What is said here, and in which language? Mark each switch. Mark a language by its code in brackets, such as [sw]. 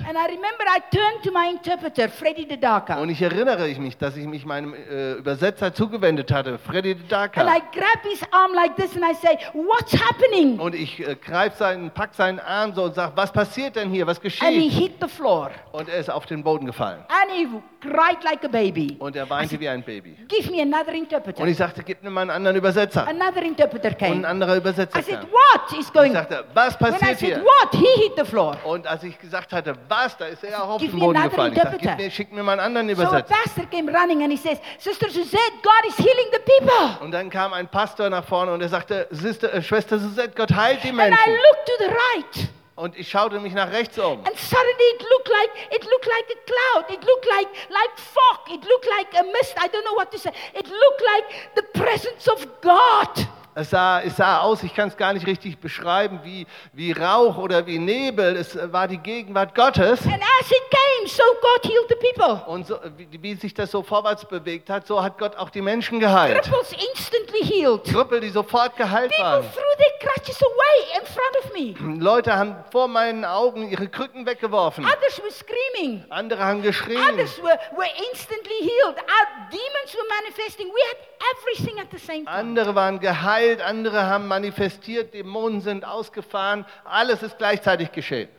[en] And I remember I turned to my interpreter, Freddy de Daka. [de] Und ich erinnere mich, dass ich mich meinem Übersetzer zugewendet hatte, Freddy de Daka. [en] And I grab his arm like this and I say, what's happening? [de] Und ich pack seinen Arm so und sag, was passiert denn hier? Was geschieht? [en] And he hit the floor. floor. [de] Und er ist auf den Boden gefallen. [en] And he cried like a baby. [de] Und er weinte wie ein Baby. [en] Give me another interpreter. [de] Und ich sagte, gib mir mal einen anderen Übersetzer. [en] Another interpreter came. [de] Und ein anderer Übersetzer [en] I said, what is going? [de] Und ich sagte, was passiert [en] when I said, [de] hier? [en] What? He hit the floor. [de] Und als ich gesagt hatte, was, da ist er auch auf den Boden gefallen. Ich sagte, schick mir mal einen anderen Übersetzer. [en] So a pastor came running and he says, Sister Suzette, God is healing the people. [de] Und dann kam ein Pastor nach vorne und er sagte, Schwester Suzette, Gott heilt die Menschen. [en] And I looked to the right. [de] Und ich schaute mich nach rechts um. [en] And suddenly it looked like a cloud. It looked like fog. It looked like a mist. I don't know what to say. It looked like the presence of God. [de] Es sah aus, ich kann es gar nicht richtig beschreiben, wie Rauch oder wie Nebel. Es war die Gegenwart Gottes. [en] And as it came, so God healed the people. [de] Und so, wie sich das so vorwärts bewegt hat, so hat Gott auch die Menschen geheilt. [en] Cripples instantly healed. [de] Krüppel, die sofort geheilt [en] people [de] waren. [en] Threw their crutches away in front of me. [de] Leute haben vor meinen Augen ihre Krücken weggeworfen. [en] Others were screaming. [de] Andere haben geschrien. [en] Others were instantly healed. Our demons were manifesting. We had everything at the same time. [de] Andere waren geheilt. Andere haben manifestiert, Dämonen sind ausgefahren, alles ist gleichzeitig geschehen.